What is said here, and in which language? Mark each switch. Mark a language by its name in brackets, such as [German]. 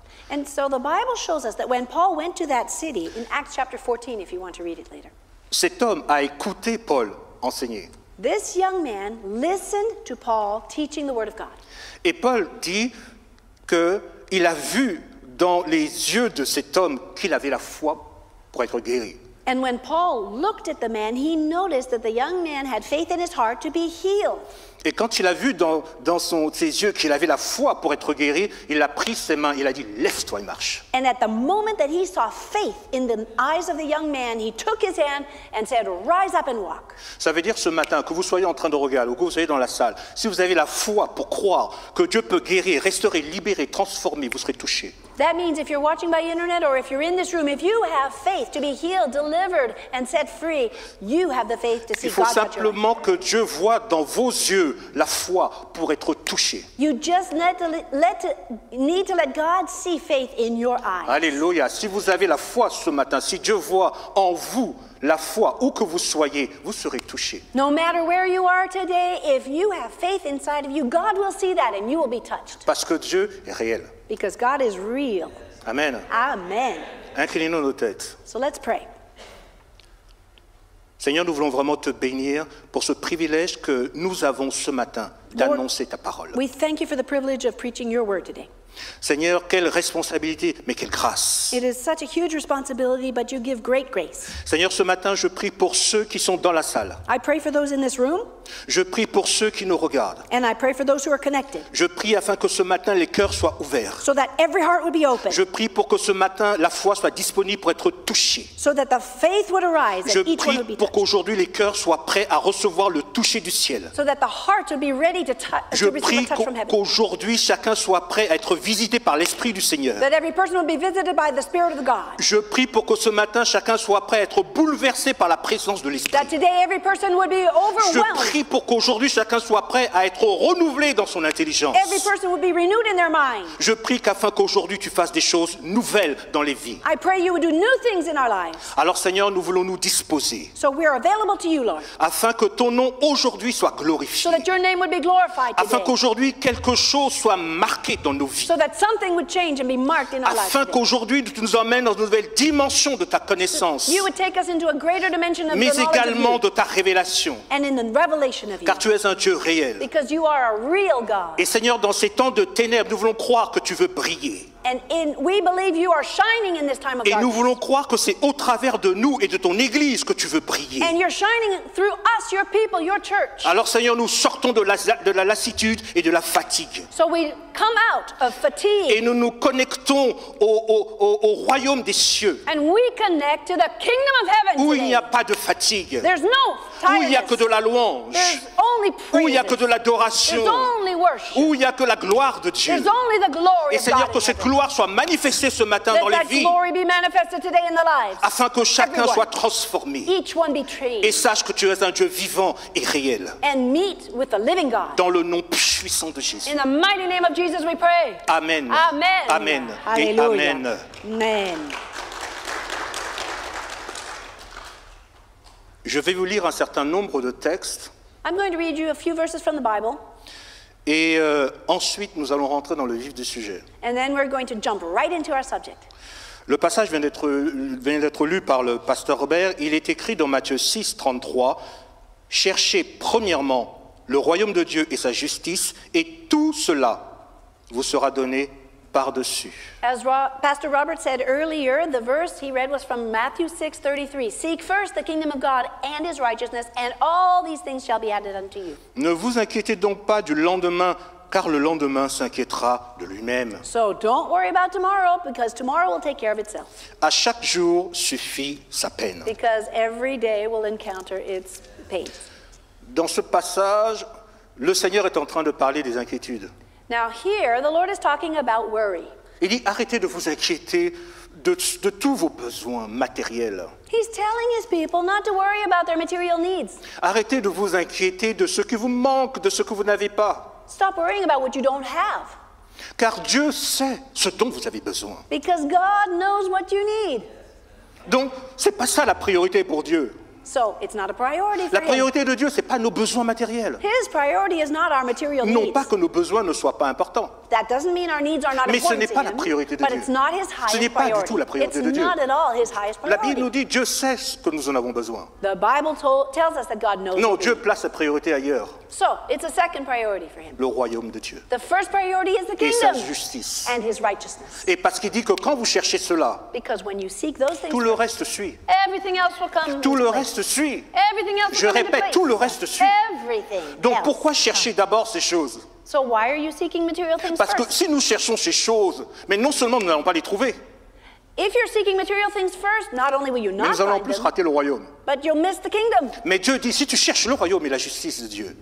[English] and so the Bible shows us that when Paul went to that city, in Acts chapter 14, if you want to read it later, [French] cet homme a écouté Paul enseigner. [English] This young man listened to Paul teaching the word of God. [French] Et Paul dit qu'il a vu dans les yeux de cet homme qu'il avait la foi pour être guéri. [English] And when Paul looked at the man, he noticed that the young man had faith in his heart to be healed. [French] Et quand il a vu dans ses yeux qu'il avait la foi pour être guéri, il a pris ses mains, il a dit, lève-toi et marche. [English] And at the moment that he saw faith in the eyes of the young man, he took his hand and said, rise up and walk. [French] Ça veut dire ce matin, que vous soyez en train de regarder ou que vous soyez dans la salle, si vous avez la foi pour croire que Dieu peut guérir, restaurer, libérer, transformer, vous serez touché. [English] That means if you're watching by internet or if you're in this room, if you have faith to be healed, delivered and set free, you have the faith to see God. [French] Il faut simplement que Dieu voie dans vos yeux la foi pour être touché. [English] You just need to let God see faith in your eyes. [French] Alléluia. Si vous avez la foi ce matin, si Dieu voit en vous La foi, où que vous soyez, vous serez touché. [English] No matter where you are today, if you have faith inside of you, God will see that and you will be touched. [French] Parce que Dieu est réel. [English] Because God is real. [French] Amen. [English] Amen. [French] Inclinons nos têtes. [English] So let's pray. [French] Seigneur, nous voulons vraiment te bénir pour ce privilège que nous avons ce matin d'annoncer ta parole. [English] We thank you for the privilege of preaching your word today. [French] Seigneur, quelle responsabilité, mais quelle grâce. [English] It is such a huge responsibility, but you give great grace. [French] Seigneur, ce matin, je prie pour ceux qui sont dans la salle. [English] I pray for those in this room. [French] Je prie pour ceux qui nous regardent. [English] And I pray for those who are connected. [French] Je prie afin que ce matin, les cœurs soient ouverts. [English] So that every heart would be open. [French] Je prie pour que ce matin, la foi soit disponible pour être touchée. [English] So that the faith would arise and each one would be touched. [French] Je prie pour qu'aujourd'hui, les cœurs soient prêts à recevoir le toucher du ciel. [English] So that the heart would be ready to touch. [French] Je prie qu'aujourd'hui, chacun soit prêt à être visité par l'Esprit du Seigneur. [English] That every person will be visited by the Spirit of God. [French] Je prie pour que ce matin, chacun soit prêt à être bouleversé par la présence de l'Esprit. [English] That today every person would be overwhelmed. [French] Je prie pour qu'aujourd'hui, chacun soit prêt à être renouvelé dans son intelligence. [English] Every person would be renewed in their mind. [French] Je prie qu'afin qu'aujourd'hui, tu fasses des choses nouvelles dans les vies. [English] I pray you would do new things in our lives. [French] Alors Seigneur, nous voulons nous disposer. [English] So we are available to you, Lord. [French] Afin que ton nom aujourd'hui soit glorifié. [English] So that your name would be glorified today. [French] Afin qu'aujourd'hui, quelque chose soit marqué dans nos vies. [English] So that something would change and be marked in our lives. [French] Afin qu'aujourd'hui tu nous emmènes dans une nouvelle dimension de ta connaissance. [English] You would take us into a greater dimension of your knowledge. [French] Mais également de ta révélation. [English] And in the revelation of you. [French] Car tu es un Dieu réel. [English] Because you are a real God. [French] Et Seigneur, dans ces temps de ténèbres, nous voulons croire que tu veux briller. [English] And we believe you are shining in this time of darkness. [French] Et nous voulons croire que c'est au travers de nous et de ton église que tu veux briller. [English] And you're shining through us, your people, your church. [French] Alors Seigneur, nous sortons de la lassitude et de la fatigue. [English] So we come out of fatigue. [French] Et nous nous connectons au royaume des cieux. [English] And we connect to the kingdom of heaven. [French] Où il n'y a pas de fatigue. [English] There's no tiredness. [French] Où il n'y a que de la louange. [English] There's only praise. [French] Où il n'y a que de l'adoration. [English] There's only worship. [French] Où il n'y a que la gloire de Dieu. [English] There's only the glory [French] et Seigneur, [English] of God. [French] Que gloire soit manifestée ce matin [English] let [French] dans les vies [English] glory be manifested today in the lives. [French] Afin que chacun [English] Everyone. [French] Soit transformé [English] Each one be trained. [French] Et sache que tu es un Dieu vivant et réel [English] and meet with the living God. [French] Dans le nom puissant de Jésus [English] in the mighty name of Jesus we pray. [French] Amen. [English] Amen. [French] Amen. [English] Hallelujah. [French] Et amen. [English] Amen. [French] Je vais vous lire un certain nombre de textes. [English] I'm going to read you a few verses from the Bible. [French] Et ensuite, nous allons rentrer dans le vif du sujet. [English] And then we're going to jump right into our subject. [French] Le passage vient d'être lu par le pasteur Robert. Il est écrit dans Matthieu 6, 33. Cherchez premièrement le royaume de Dieu et sa justice, et tout cela vous sera donné par-dessus. [English] As Pastor Robert said earlier, the verse he read was from Matthew 6, 33. Seek first the kingdom of God and his righteousness, and all these things shall be added unto you. [French] Ne vous inquiétez donc pas du lendemain, car le lendemain s'inquiétera de lui-même. [English] So don't worry about tomorrow, because tomorrow will take care of itself. [French] À chaque jour suffit sa peine. [English] Because every day will encounter its pain. [French] Dans ce passage, le Seigneur est en train de parler des inquiétudes. [English] Now here, the Lord is talking about worry. [French] Il dit, arrêtez de vous inquiéter de tous vos besoins matériels. [English] He's telling his people not to worry about their material needs. [French] Arrêtez de vous inquiéter de ce qui vous manque, de ce que vous n'avez pas. [English] Stop worrying about what you don't have. [French] Car Dieu sait ce dont vous avez besoin. [English] Because God knows what you need. [French] Donc, c'est pas ça la priorité pour Dieu. [English] So it's not a priority for [French] La priorité de Dieu, c'est pas nos besoins matériels. [English] His priority is not our material needs. [French] Non pas que nos besoins ne soient pas importants. [English] That doesn't mean our needs are not [French] Mais [English] important [French] ce n'est pas [English] to him, [French] la priorité de [English] but [French] Dieu. [English] It's not his highest [French] ce n'est pas [English] priority. [French] Du tout la priorité [English] it's [French] de Dieu. [English] It's not at all his highest priority. [French] La Bible nous dit, Dieu sait ce que nous en avons besoin. [English] The Bible tells us that God knows [French] Non, Dieu place sa priorité ailleurs. [English] So, it's a second priority for him. [French] Le royaume de Dieu. [English] The first priority is the kingdom. [French] Et sa justice. [English] And his righteousness. [French] Et parce qu'il dit que quand vous cherchez cela, [English] Because when you seek those things [French] tout le reste suit. [English] Everything else will come [French] Tout le reste suit. [English] Everything else [French] Je répète, tout le reste suit. [English] Everything [French] Donc [English] else [French] pourquoi chercher d'abord ces choses? [English] So why are you seeking material things [French] Parce que [English] first? [French] Si nous cherchons ces choses, mais non seulement nous n'allons pas les trouver, [English] If you're seeking material things first, not only will you not [French] Mais nous allons en plus [English] them, [French] rater le royaume. [English] But you'll miss the kingdom. [French] Mais Dieu dit, si tu cherches le royaume et la justice de Dieu,